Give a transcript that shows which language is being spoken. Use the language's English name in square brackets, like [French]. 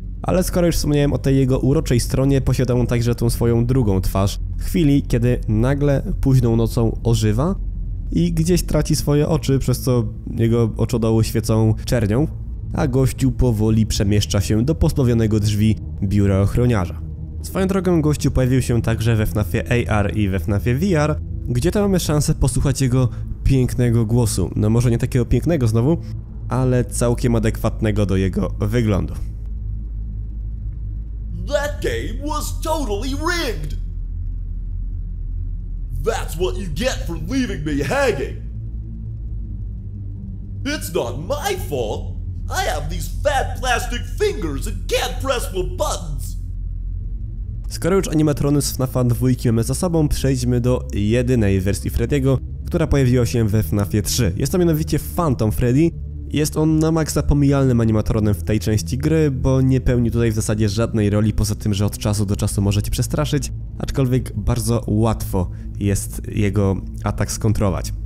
[Polish] Ale skoro już wspomniałem o tej jego uroczej stronie, posiada on także tą swoją drugą twarz w chwili, kiedy nagle późną nocą ożywa i gdzieś traci swoje oczy, przez co jego oczodoły świecą czernią, a gościu powoli przemieszcza się do pozbawionego drzwi biura ochroniarza. Swoją drogą, gościu pojawił się także we FNAF-ie AR i we FNAF-ie VR, gdzie to mamy szansę posłuchać jego pięknego głosu. No może nie takiego pięknego znowu, ale całkiem adekwatnego do jego wyglądu. [English] That game was totally rigged! That's what you get for leaving me hanging! It's not my fault! I have these fat plastic fingers and can't press the button! [Polish] Skoro już animatrony z FNAF 2 mamy za sobą, przejdźmy do jedynej wersji Freddy'ego, która pojawiła się we FNAF 3. Jest to mianowicie Phantom Freddy. Jest on na maksa pomijalnym animatronem w tej części gry, bo nie pełni tutaj w zasadzie żadnej roli, poza tym, że od czasu do czasu może cię przestraszyć, aczkolwiek bardzo łatwo jest jego atak skontrować.